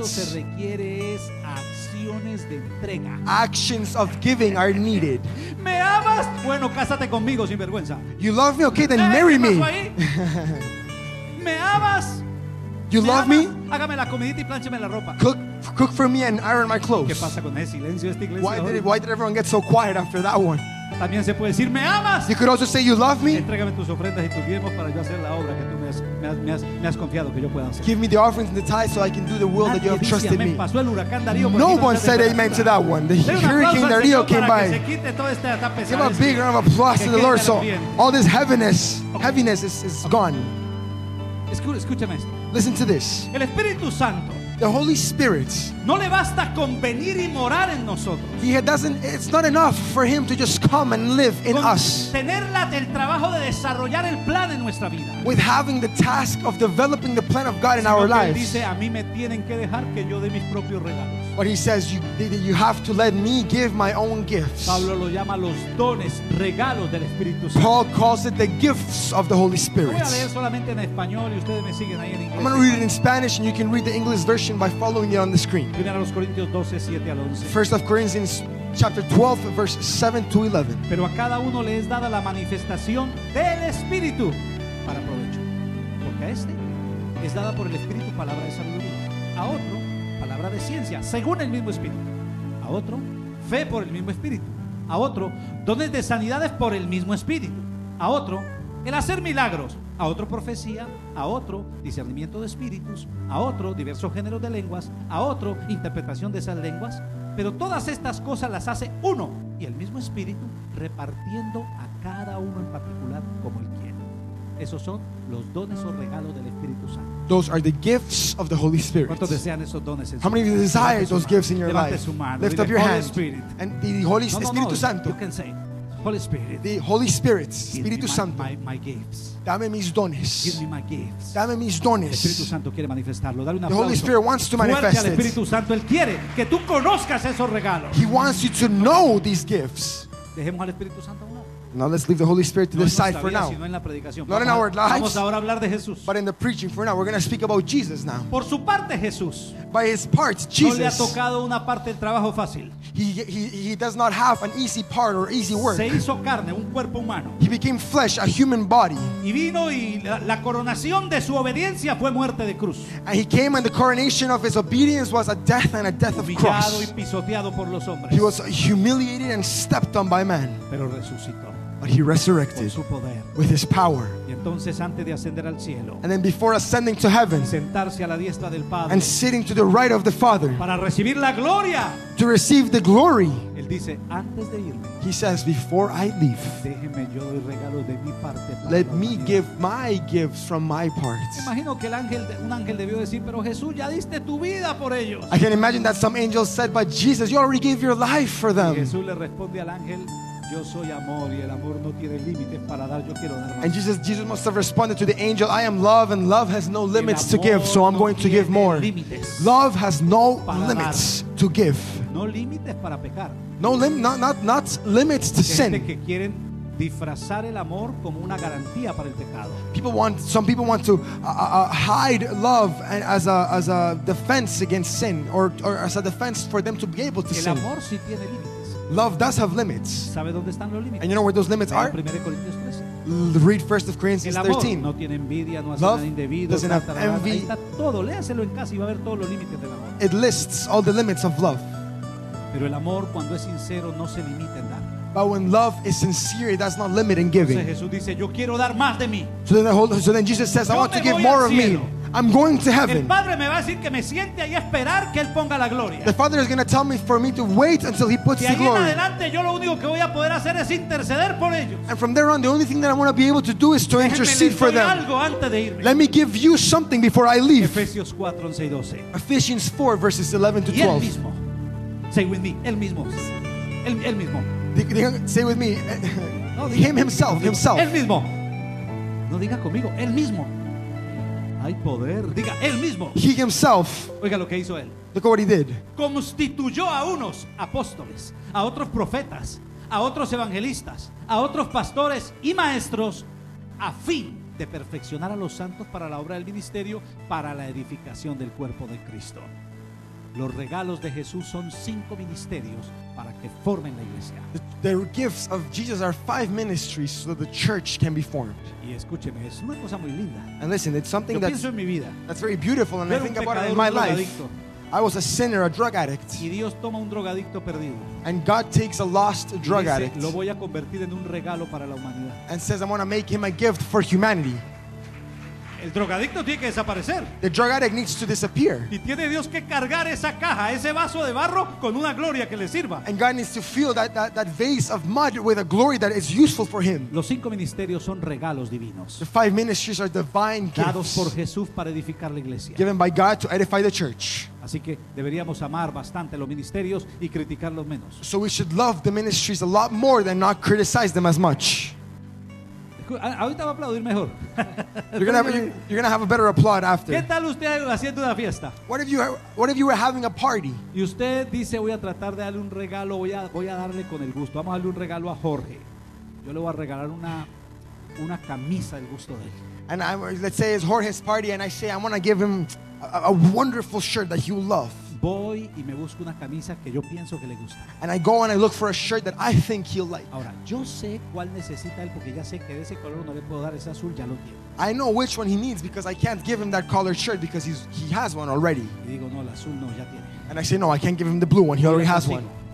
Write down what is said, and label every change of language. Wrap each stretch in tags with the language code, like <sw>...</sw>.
<es>Eso se requiere es acciones de entrega.</es> <en>Actions of giving are needed.</en> <es>Me amas? Bueno, cásate conmigo sin vergüenza.</es> <en>You love me? Okay, then marry me.</en> <es>Me amas?</es> <en>You love me?</en> <es>Hágame la comidita y plánchame la ropa.</es> <en>Cook for me and iron my clothes.</en> <es>¿Qué pasa con ese silencio esta iglesia?</es> <en>Why did everyone get so quiet after that one?</en> <es>También se puede decir me amas?</es> <en>You could also say you love me?</en> <es>Entrégame tus ofrendas y tus diezmos para yo hacer la obra que tú me has confiado que yo pueda hacer.</es> <en>Give me the offerings and the tithes so I can do the will that you have trusted me.</en> <es>Pasó el huracán Darío.</es> <en>No one said amen to that one. The hurricane Darío came by. Give a big round of applause to the Lord so all this heaviness is gone.</en> <es>Escúchame esto.</es> <en>Listen to this.</en> <es>El Espíritu Santo.</es> <en>The Holy Spirit.</en> <es>No le basta con venir y morar en nosotros.</es> <en>He doesn't. It's not enough for him to just come and live in us.</en> <es>Tener el trabajo de desarrollar el plan en nuestra vida.</es> <en>With having the task of developing the plan of God in our lives.</en> <es>Dice a mí me tienen que dejar que yo dé mis propios regalos.</es> <en>But he says you have to let me give my own gifts.</en> <es>Pablo lo llama los dones, regalos del Espíritu Santo.</es> <en>Paul calls it the gifts of the Holy Spirit.</en> <es>Voy a leer solamente en español y ustedes me siguen ahí en inglés.</es> <en>I'm going to read it in Spanish and you can read the English version by following it on the screen. 1 Corinthians chapter 12 verse 7 to 11.</en> <es>Pero a cada uno le es dada la manifestación del Espíritu para provecho. Porque a este es dada por el Espíritu palabra de sabiduría. A otro palabra de ciencia según el mismo Espíritu. A otro fe por el mismo Espíritu. A otro dones de sanidades por el mismo Espíritu. A otro el hacer milagros a otro profecía, a otro discernimiento de espíritus, a otro diversos géneros de lenguas, a otro interpretación de esas lenguas. Pero todas estas cosas las hace uno y el mismo Espíritu, repartiendo a cada uno en particular como Él quiere. Esos son los dones o regalos del Espíritu Santo.</es> <en>Those are the gifts of the Holy Spirit.</en> <es>¿Cuántos desean esos dones?</es> <en>How many of you desire those gifts in your life?</en> <es>Levante su mano.</es> <en>Lift up your hand. Spirit. And the Holy</en> <es>Espíritu Santo.</es> <en>You can say Holy Spirit. The Holy Spirit,</en> <es>Espíritu Santo.</es> <en>My gifts.</en> <es>Dame mis dones.</es> <en>Give me my gifts.</en> <es>Dame mis dones. El Espíritu Santo quiere manifestarlo. Dale un aplauso.</es> <en>The Holy Spirit wants to manifest it.</en> <es>El Espíritu Santo, él quiere que tú conozcas esos regalos.</es> <en>He wants you to know these gifts.</en> <es>Dejemos al Espíritu Santo uno.</es> <en>Now let's leave the Holy Spirit to decide for now. Not in our lives, but in the preaching for now. We're going to speak about Jesus now.</en> <es>Por su parte, Jesús,</es> <en>by his part, Jesus,</en> <es>no le ha tocado una parte del trabajo fácil.</es> <en>He does not have an easy part or easy work.</en> <es>Se hizo carne, un cuerpo humano.</es> <en>He became flesh, a human body.</en> <es>Y vino y la coronación de su obediencia fue muerte de cruz.</es> <en>And he came and the coronation of his obedience was a death and a death of</en> <es>humillado</es> <en>cross.</en> <es>Y pisoteado por los hombres.</es> <en>He was humiliated and stepped on by man.</en> <es>Pero resucitó.</es> <en>But he resurrected</en> <es>con su poder.</es> <en>With his power.</en> <es>Y entonces, antes de ascender al cielo,</es> <en>and then before ascending to heaven,</en> <es>sentarse a la diestra del Padre,</es> <en>and sitting to the right of the Father,</en> <es>para recibir la gloria,</es> <en>to receive the glory,</en> <es>él dice, antes de irme,</es> <en>he says, before I leave,</en> <es>déjeme yo doy regalos de mi parte para</es> <en>let me</en> <es>vida.</es> <en>Give my gifts from my part.</en> <es>Imagino que el ángel, un ángel debió decir, pero Jesús, ya diste tu vida por ellos.</es> <en>I can imagine that some angels said, but Jesus, you already gave your life for them.</en> <es>Y Jesús le responde al ángel, yo soy amor y el amor no tiene límites para dar, yo quiero dar más.</es> <en>And Jesus must have responded to the angel, I am love and love has no limits to give, so I'm going to give more. Love has no limits to give.</en> <es>No límites para pecar.</es> <en>No lim, not limits to sin.</en> <es>Que quieren disfrazar el amor como una garantía para el pecado.</es> <en>People want, some people want to hide love as a defense against sin or as a defense for them to be able to sin.</en> <es>El amor sí tiene límites.</es> <en>Love does have limits.</en> <es>¿Sabe dónde están los límites?</es> <en>And you know where those limits are? Read 1 Corinthians 13.</en> <es>No tiene envidia, no hace</es> <en>love</en> <es>nada indebido,</es> <en>doesn't have envy.</en> <es>Léaselo en casa y va a ver todos los límites del amor.</es> <en>It lists all the limits of love.</en> <es>Pero el amor, cuando es sincero, no se limita en dar.</es> <en>But when love is sincere, it does not limit in giving.</en> <es>Entonces Jesús dice, yo quiero dar más de mí.</es> <en>So then Jesus says,</en> <es>yo</es> <en>I want to give more of me. I'm going to heaven.</en> <es>El Padre me va a decir que me siente ahí a esperar que él ponga la gloria.</es> <en>The Father is going to tell me for me to wait until he puts the glory.</en> <es>Y ahí en adelante yo lo único que voy a poder hacer es interceder por ellos.</es> <en>And from there on, the only thing that I want to be able to do is to intercede for them.</en> <es>Algo antes de irme.</es> <en>Let me give you something before I leave.</en> <es>Efesios 4, 11 y 12.</es> <en>Ephesians 4 verses 11 to 12.</en> <es>Y él mismo.</es> <en>Say with me,</en> <es>él mismo. Él mismo.</es> <en>Say with me. Him himself, himself.</en> <es>Él mismo. No diga conmigo, él mismo. Hay poder. Diga, él mismo.</es> <en>He himself.</en> <es>Oiga lo que hizo él.</es> <en>Look what he did.</en> <es>Constituyó a unos apóstoles, a otros profetas, a otros evangelistas, a otros pastores y maestros, a fin de perfeccionar a los santos para la obra del ministerio, para la edificación del cuerpo de Cristo. Los regalos de Jesús son cinco ministerios para que formen la iglesia.</es> <en>The gifts of Jesus are five ministries so that the church can be formed.</en> <es>Y escúcheme, es una cosa muy linda.</es> <en>And listen, it's something</en> <es>yo</es> <en>that's,</en> <es>en mi vida.</es> <en>That's very beautiful and</en> <es>pero</es> <en>I think about it in my life.</en> <es>Adicto.</es> <en>I was a sinner, a drug addict.</en> <es>Y Dios toma un drogadicto perdido.</es> <en>And God takes a lost drug</en> <es>y dice,</es> <en>addict.</en> <es>Lo voy a convertir en un regalo para la humanidad.</es> <en>And says, I want to make him a gift for humanity.</en> <es>El drogadicto tiene que desaparecer.</es> <en>The drug addict needs to disappear.</en> <es>Y tiene Dios que cargar esa caja, ese vaso de barro con una gloria que le sirva.</es> <en>And God needs to fill that vase of mud with a glory that is useful for him.</en> <es>Los cinco ministerios son regalos divinos.</es> <en>The five ministries are divine</en> <es>dados</es> <en>gifts.</en> <es>Por Jesús para edificar la iglesia.</es> <en>Given by God to edify the church.</en> <es>Así que deberíamos amar bastante los ministerios y criticarlos menos.</es> <en>So we should love the ministries a lot more than not criticize them as much.</en> <es>Ahorita va a aplaudir mejor.</es> <en>You're gonna have a better applaud after.</en> <es>¿Qué tal usted haciendo una fiesta?</es> <en>What if you were having a party?</en> <es>Y usted dice, voy a tratar de darle un regalo, voy a darle con el gusto. Vamos a darle un regalo a Jorge. Yo le voy a regalar una camisa del gusto de él.</es> <en>And I'm, let's say it's Jorge's party, and I say I want to give him a wonderful shirt that he'll love.</en> <es>Voy y me busco una camisa que yo pienso que le gusta.</es> <en>And I go and I look for a shirt that I think he'll like.</en> <es>Ahora, yo sé cuál necesita él porque ya sé que de ese color no le puedo dar, ese azul ya lo tiene.</es> <en>I know which one he needs because I can't give him that colored shirt because he has one already.</en> <es>Y digo, no, el azul no, ya tiene.</es> <en>And I say, no, I can't give him the blue one, he already has one.</en>